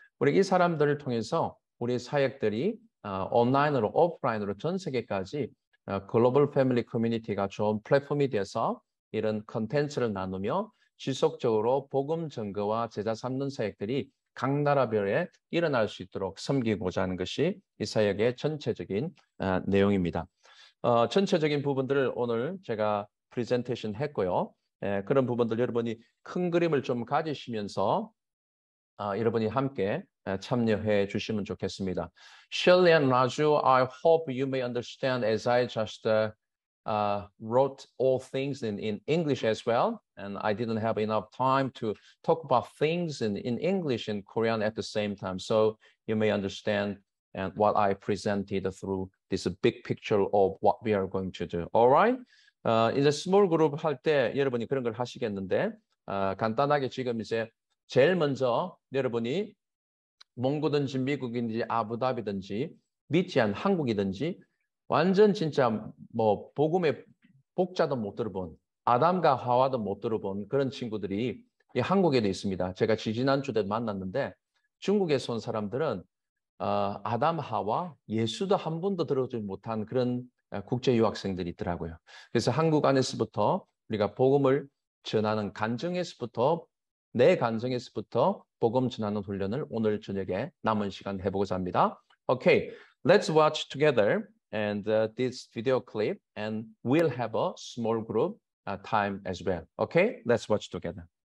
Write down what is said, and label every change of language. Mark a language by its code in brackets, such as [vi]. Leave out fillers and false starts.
[ko] 우리 이 사람들을 통해서 우리 사역들이 온라인으로 오프라인으로 전 세계까지 글로벌 패밀리 커뮤니티가 좋은 플랫폼이 돼서 이런 컨텐츠를 나누며 지속적으로 복음 전거와 제자 삼는 사역들이 각 나라별에 일어날 수 있도록 섬기고자 하는 것이 이 사역의 전체적인 내용입니다. 전체적인 부분들을 오늘 제가 프레젠테이션 했고요. 그런 부분들 여러분이 큰 그림을 좀 가지시면서 여러분이 함께 참여해 주시면 좋겠습니다. [en] Shirley and Raju, I hope you may understand as I just wrote all things in English as well, and I didn't have enough time to talk about things in English and Korean at the same time. So you may understand and what I presented through this big picture of what we are going to do. All right? [ko] 이제 스몰 그룹 할 때 여러분이 그런 걸 하시겠는데, 간단하게 지금 이제 제일 먼저 여러분이 몽고든지 미국인지 아부다비든지 리치한 한국이든지 완전 진짜 뭐 복음의 복자도 못 들어본 아담과 하와도 못 들어본 그런 친구들이 이 한국에도 있습니다. 제가 지난주에도 만났는데 중국에서 온 사람들은 아담 하와 예수도 한 번도 들어오지 못한 그런 국제유학생들이 있더라고요. 그래서 한국 안에서부터 우리가 복음을 전하는 간증에서부터 내 간증에서부터 복음 전하는 훈련을 오늘 저녁에 남은 시간 해보고자 합니다. [en] Okay, let's watch together and this video clip and we'll have a small group time as well. Okay, let's watch together.